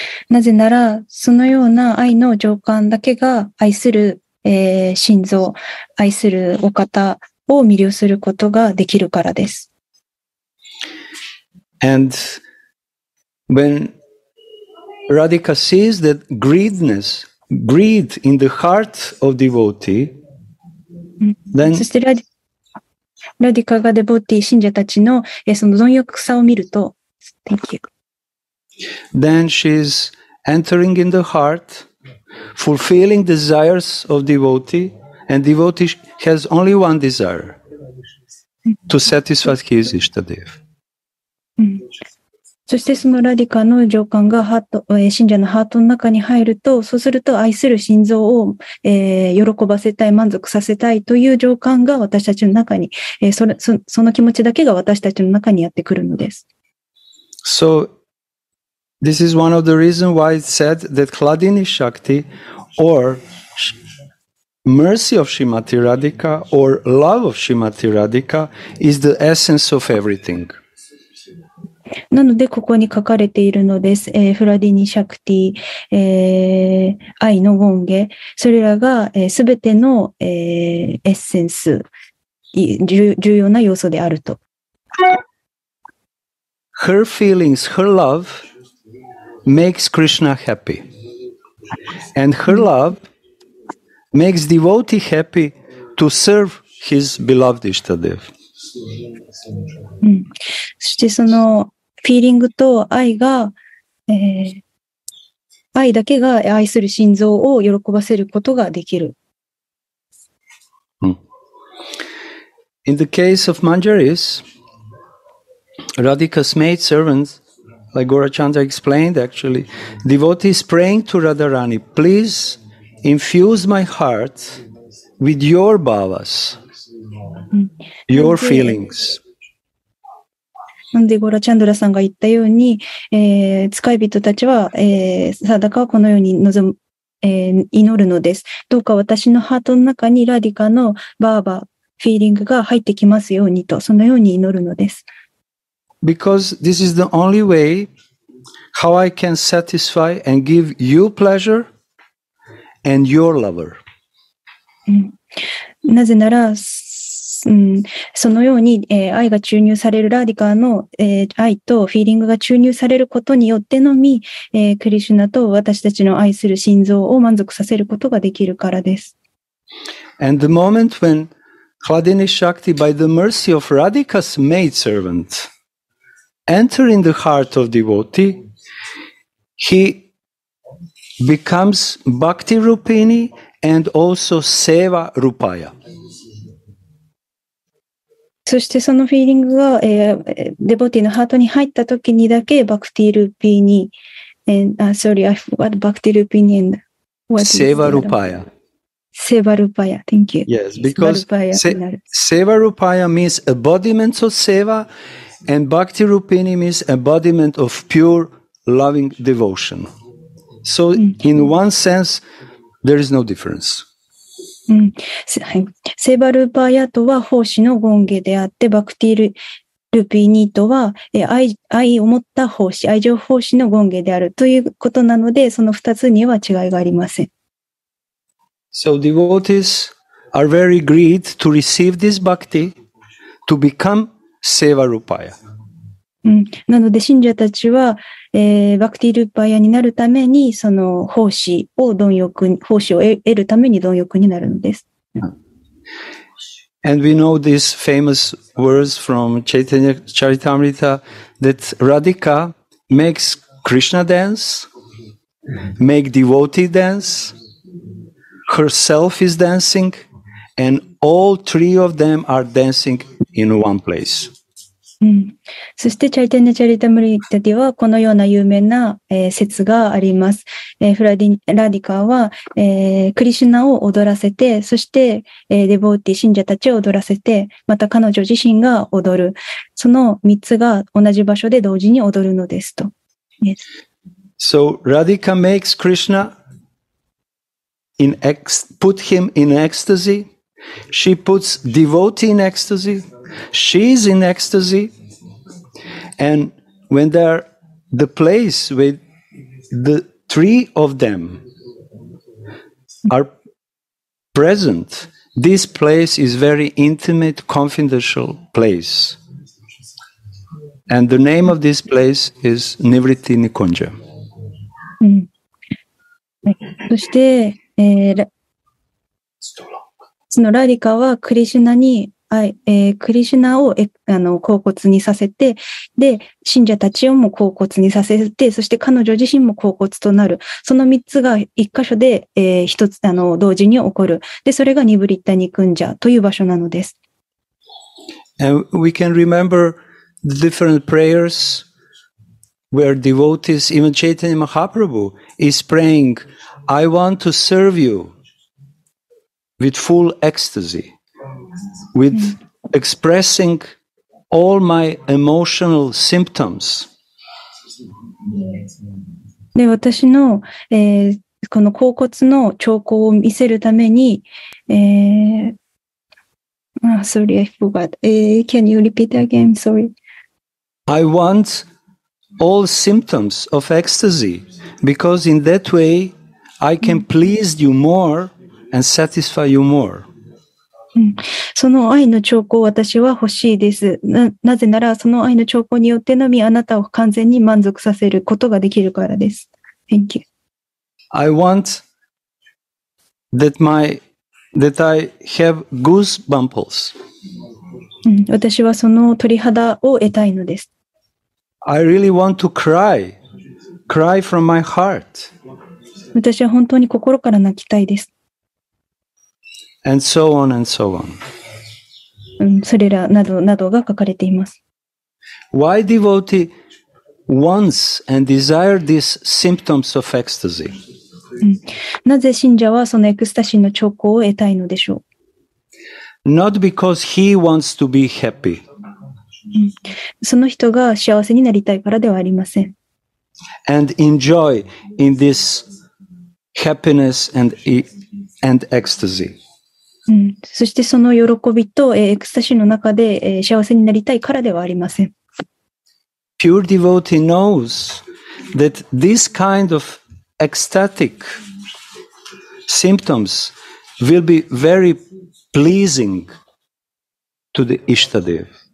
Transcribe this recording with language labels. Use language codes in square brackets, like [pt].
[ja] なぜならそのような愛の情感だけが愛する心臓、愛するお方を魅了することができるからです。 [en] And when Radhika sees that greed in the heart of devotee, then [ja] そしてラディカがデボティ信者たちのその貪欲さを見ると、 [en] Thank you. Then she's entering in the heart. Fulfilling desires of devotee, and devotee has only one desire to satisfy his Ishtadev. [ja] そしてそのラディカの情感がハート、信者のハートの中に入ると、そうすると愛する心臓を、喜ばせたい、満足させたいという情感が私たちの中に、その気持ちだけが私たちの中にやってくるのです。 [en] So this is one of the reasons why it said that Kladini Shakti or mercy of Shrimati Radhika or love of Shrimati Radhika is the essence of everything. [ja] なのでここに書かれているのです、フラディニシャクティ、愛のゴンゲ、それらが、すべての、エッセンス、重要な要素であると。 [en] Her feelings, her love makes Krishna happy. And her love makes devotee happy to serve his beloved Ishtadev. [ja] そしてそのフィーリングと愛が、愛だけが愛する心臓を喜ばせることができる。 [en] In the case of Manjari's, Radhika's maid servants, like Gaurachandra explained actually, devotees praying to Radharani, please infuse my heart with your bhavas, your feelings. [ja] なんでゴラチャンドラさんが言ったように、使い人たちは、サダカはこのように望む、祈るのです。どうか私のハートの中にラディカのバーバー、フィーリングが入ってきますようにと、そのように祈るのです。 [en] Because this is the only way how I can satisfy and give you pleasure and your lover. [ja] なぜなら、そのように、愛が注入されるラディカの、愛とフィーリングが注入されることによってのみ、クリシュナと私たちの愛する心臓を満足させることができるからです。 [en] And the moment when Kladini Shakti, by the mercy of Radhika's maidservant, enter in the heart of devotee, he becomes Bhakti Rupini and also Seva Rupaya. [ja] そしてそのフィーリングが、デボティのハートに入った時にだけバクティルーピーに、 [en] sorry, I forgot [ja] バクティルーピーに [en] and what セーバルパヤ。セーバルパヤ、thank you. Yes, because セーバルパヤ means embodiment of seva and バクティルーピーに means embodiment of pure loving devotion. So in one sense, there is no difference. [ja] うん、セーバルーパーヤとは奉仕のゴンゲであって、バクティ ルーピーニーとは 愛を持った奉仕、愛情奉仕のゴンゲであるということなので、その2つには違いがありません。 [en] So devotees are very greedy to receive this bhakti to become seva rupaya. [ja] なので信者たちは、バクティルーパーヤになるためにその奉仕を貪欲奉仕を得るために貪欲になるのです。 [en] And we know these famous words from Chaitanya Charitamrita that Radhika makes Krishna dance, make devotee dance, herself is dancing, and all three of them are dancing in one place. [ja] そしてチャイタニャチャリタムリタディはこのような有名な、説があります、フラディラディカは、クリシュナを踊らせてそして、デボーティ信者たちを踊らせてまた彼女自身が踊るその3つが同じ場所で同時に踊るのですと、 [en] yes. So Radhika makes Krishna in put him in ecstasy she puts devotee in ecstasyShe is in ecstasy, and when they are the place with the three of them are present, this place is very intimate, confidential place. And the name of this place is Nivritti Nikunja. [ja] そして、そのラディカはクリシュナにはい、クリシュナを恍惚にさせてで信者たちをも恍惚にさせてそして彼女自身も恍惚となるその3つが一箇所で、一つ同時に起こるでそれがニブリッタニクンジャという場所なのです [en] And we can remember the different prayers where devotees even Chaitanya Mahaprabhu is praying I want to serve you with full ecstasy with expressing all my emotional symptoms. [ja] で、私の、この甲骨の兆候を見せるために、 [en] sorry, I forgot. Can you repeat again? Sorry. I want all symptoms of ecstasy because in that way I can please you more and satisfy you more. [ja] その愛の兆候私は欲しいです。なぜならその愛の兆候によってのみあなたを完全に満足させることができるからです。 [en] Thank you. I want that I have goosebumps. [ja] 私はその鳥肌を得たいのです。 [en] I really want to cry from my heart. [ja] 私は本当に心から泣きたいです。 [en] And so on and so on. [ja] それらなどなどが書かれています。 [en] Why devotee wants and desire these symptoms of ecstasy? [ja] なぜ信者はそのエクスタシーの兆候を得たいのでしょう? [en] Not because he wants to be happy. [ja] その人が幸せになりたいからではありません。 [en] And enjoy in this happiness and ecstasy. [ja] そしてその喜びと、エクスタシーの中で、幸せになりたいからではありません。 [en] Pure devotee knows that this kind of ecstatic symptoms will be very pleasing to the Ishtadev.